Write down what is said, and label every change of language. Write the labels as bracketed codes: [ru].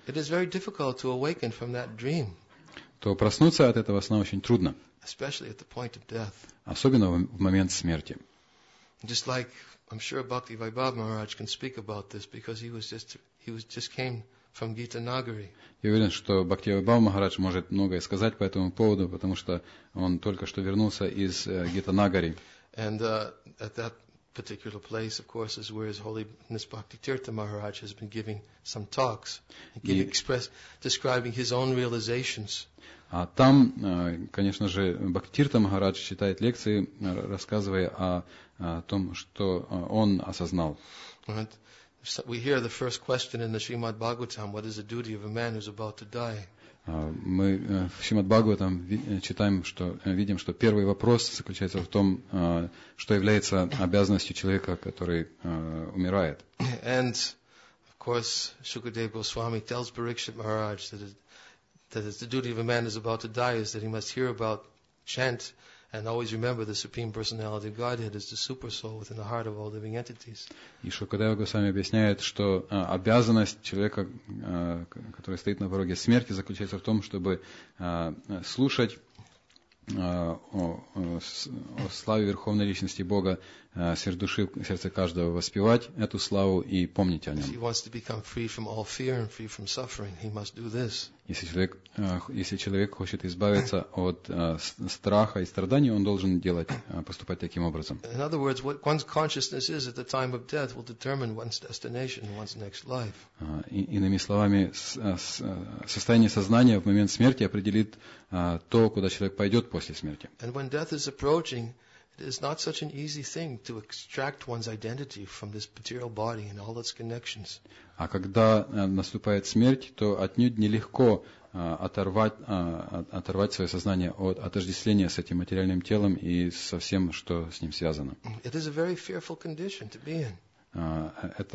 [en] it is very difficult to awaken from that dream. [ru] То проснуться от этого сна очень трудно. [en] Especially at the point of death. [ru] Особенно в момент смерти. [en] Just like I'm sure Bhakti Vaibhav Maharaj can speak about this because he just came from Gita Nagari. [ru] Я уверен, что Бхакти Вайбхав Махарадж может многое сказать по этому поводу, потому что он только что вернулся из Гита Нагари. [en] And at that particular place, of course, is where His Holiness Bhakti Tirtha Maharaj has been giving some talks, describing his own realizations. [ru] А там, конечно же, Бхакти Тирта Махарадж читает лекции, рассказывая о том, что он осознал. [en] Right. So we hear the first question in the Srimad Bhagavatam, what is the duty of a man who is about to die? [ru] Мы в Шримад-Бхагаватам читаем, что видим, что первый вопрос заключается в том, что является обязанностью человека, который умирает. [en] And of course, Shukadeva Goswami tells Parikshit Maharaj that the duty of a man who is about to die is that he must hear about chant and always remember the Supreme Personality of Godhead as the super soul within the heart of all living entities. [ru] И Шукадева Госвами объясняет, что обязанность человека, который стоит на пороге смерти, заключается в том, чтобы слушать о славе Верховной Личности Бога, сердце души, сердце каждого, воспевать эту славу и помнить о нем. [en] If he wants to become free from all fear and free from suffering, he must do this. [ru] Если человек хочет избавиться от страха и страданий, он должен поступать таким образом. [en] In other words, what one's consciousness is at the time of death will determine one's destination, one's next life. [ru] Иными словами, состояние сознания в момент смерти определит то, куда человек пойдет после смерти. [en] And when death is approaching, it is not such an easy thing to extract one's identity from this material body and all its connections. [ru] А когда наступает смерть, то отнюдь нелегко оторвать свое сознание от отождествления с этим материальным телом и со всем, что с ним связано. [en] It is a very fearful condition to be in.